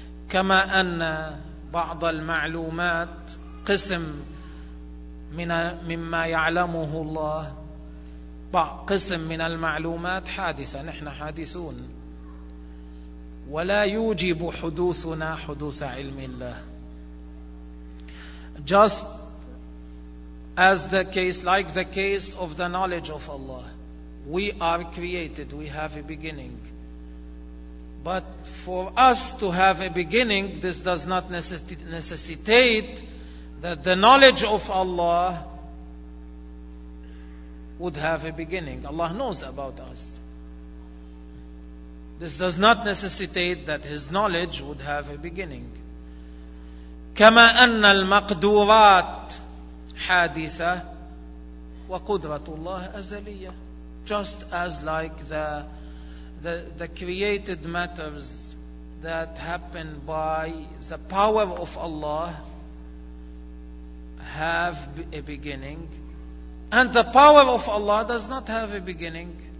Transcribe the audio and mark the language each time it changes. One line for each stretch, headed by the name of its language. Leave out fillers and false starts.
Arabic: كما أن بعض المعلومات قسم من مما يعلمه الله قسم من المعلومات حادثة, نحن حادثون, ولا يوجب حدوثنا حدوث علم الله.
English: Just as the case, like the case of the knowledge of Allah, we are created, we have a beginning. But for us to have a beginning, this does not necessitate that the knowledge of Allah would have a beginning. Allah knows about us. This does not necessitate that His knowledge would have a beginning.
Arabic: كما أن المقدورات حادثة وقدرة الله أزلية.
English: Just as like the created matters that happen by the power of Allah have a beginning, and the power of Allah does not have a beginning.